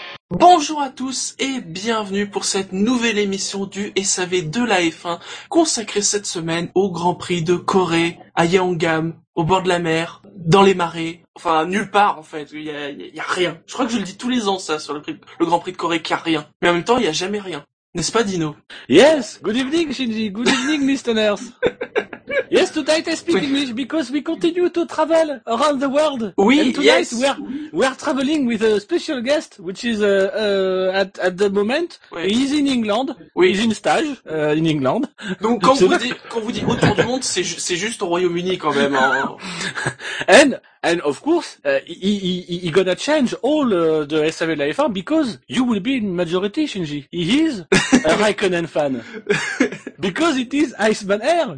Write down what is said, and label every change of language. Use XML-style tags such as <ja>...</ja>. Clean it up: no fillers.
<fr>Bonjour à tous et bienvenue pour cette nouvelle émission du SAV de la F1 consacrée cette semaine au Grand Prix de Corée à Yeongam, au bord de la mer, dans les marais, enfin nulle part en fait, il y a rien. Je crois que je le dis tous les ans ça sur le Grand Prix de Corée qu'il y a rien, mais en même temps il y a jamais rien, n'est-ce pas Dino?</fr> <en>Yes, good evening Shinji, good evening Mr. Nurse. Yes, tonight I speak English because we continue to travel around the world.</en> <fr>Oui,</fr> <en>and tonight yes. We are traveling with a special guest, which is at the moment oui. He's in England.</en> <fr>Oui.</fr> <en>He's in stage in England.</en> <fr>Donc quand vous dites autour du monde, c'est juste au Royaume-Uni quand même.</fr> <en>Hein. And of course, he gonna change all the SAV de la F1 because you will be in majority, Shinji. He is a Raikkonen fan. Because it is Iceman Air.</en>